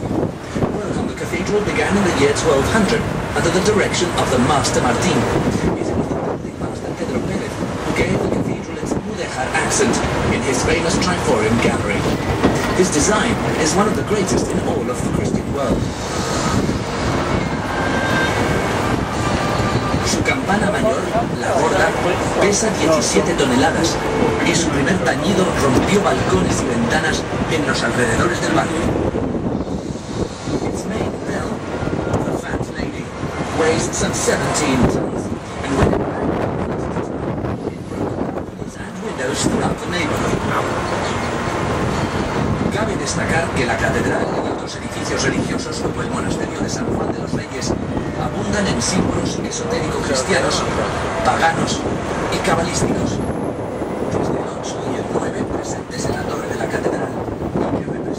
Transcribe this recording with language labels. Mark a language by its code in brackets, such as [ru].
[en] Work on the cathedral began in the year 1200 under the direction of the Master Martín. It was the building master Pedro Pérez who gave the cathedral its mudéjar accent in his famous triforium gallery. His design is one of the greatest in all of the Christian world. [es] Su campana mayor, la Gorda, pesa 17 toneladas y su primer tañido rompió balcones y ventanas en los alrededores del barrio. [en] Its main bell, the Fat Lady, weighs some 17 tons and when it broke the and windows throughout the neighborhood. [es] Cabe destacar que la catedral y otros edificios religiosos como el monasterio de San Juan de los Reyes abundan en símbolos esotérico-cristianos, paganos y cabalísticos. Desde el 8 y el 9 presentes en la torre de la catedral, y que